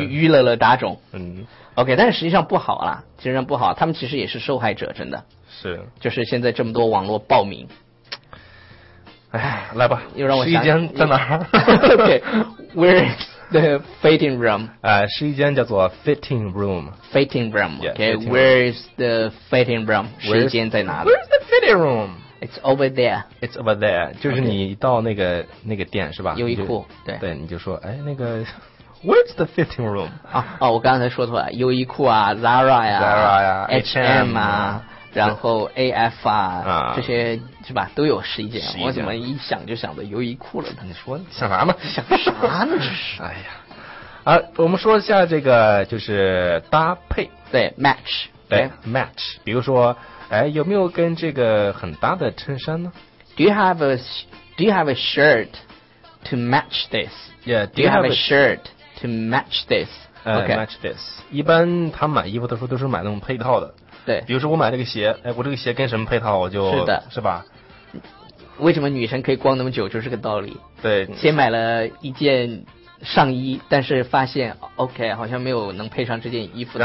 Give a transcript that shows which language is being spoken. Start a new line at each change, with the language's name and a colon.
Chinese: 娱乐了打种，OK， 但是实际上不好啦，实际上不好，他们其实也是受害者，真的是，就是现在这么多网络暴民，来吧，又让我试衣间在哪儿
English: ？OK，Where？ The fitting room.
Chinese: 试衣间叫做 fitting room.
English: Fitting room. Yeah, okay, where is the fitting room?
Chinese: 试衣间在哪里？
English: Where's the fitting room? It's over there. It's over there.
Chinese: 就是你到那个店是吧？优衣库。对。你就说，哎，那个 ，
English: Where's the fitting room?
Chinese: 啊，我刚才说错了，优衣库啊 ，Zara 呀，Zara 呀，H&M 啊，然后 AF 啊，这些是吧？都有试衣间。我怎么一想就想到优衣库了？你说想啥嘛？想啥呢？这是。哎呀，我们说一下这个就是搭配。对 ，match 对。对 ，match。比如说，哎，有没有跟这个很搭的衬衫呢
English: ？Do you have a shirt to match this? Do you have a shirt to match this? Okay. Match this.
Chinese: 一般他买衣服的时候都是买那种配套的。对，比如说我买这个鞋，哎，我这个鞋跟什么配套，我就是的，是吧？为什么女生可以逛那么久，就是个道理。对，先买了一件上衣，但是发现 OK 好像没有能配上这件衣服的，